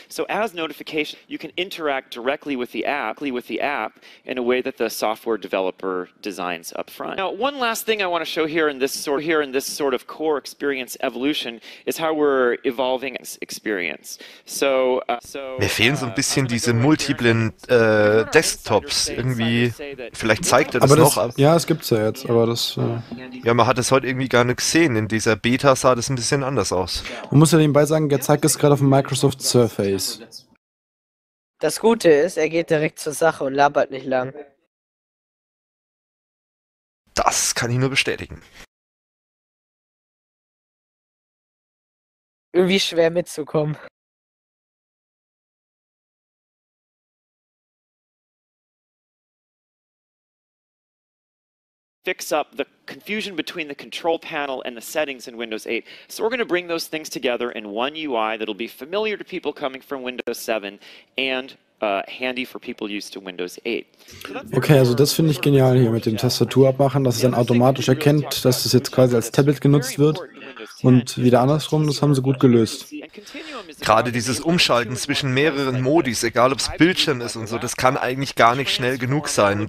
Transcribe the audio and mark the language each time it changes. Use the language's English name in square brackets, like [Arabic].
[English] So as notification, you can interact directly with the app in a way that the software developer designs up front. Now, one last thing I want to show here in this sort of core experience evolution is how we're evolving experience. So, [German] mir fehlen so ein bisschen diese multiplen Desktops irgendwie. Vielleicht zeigt er das aber noch. Ja, es gibt's ja jetzt, aber das. Ja, man hat es heute irgendwie gar nicht gesehen in dieser Beta, sah das ein bisschen anders aus. Man muss ja nebenbei sagen, er zeigt es gerade auf dem Microsoft Surface. Das Gute ist, er geht direkt zur Sache und labert nicht lang. Das kann ich nur bestätigen. Irgendwie schwer mitzukommen. [English] Fix up the confusion between the control panel and the settings in Windows 8. So we're going to bring those things together in one UI that'll be familiar to people coming from Windows 7 and handy for people used to Windows 8. [German] Okay, also das finde ich genial hier mit dem Tastaturabmachen, dass es dann automatisch erkennt, dass es jetzt quasi als Tablet genutzt wird. Und wieder andersrum, das haben sie gut gelöst. Gerade dieses Umschalten zwischen mehreren Modis, egal ob es Bildschirm ist und so, das kann eigentlich gar nicht schnell genug sein.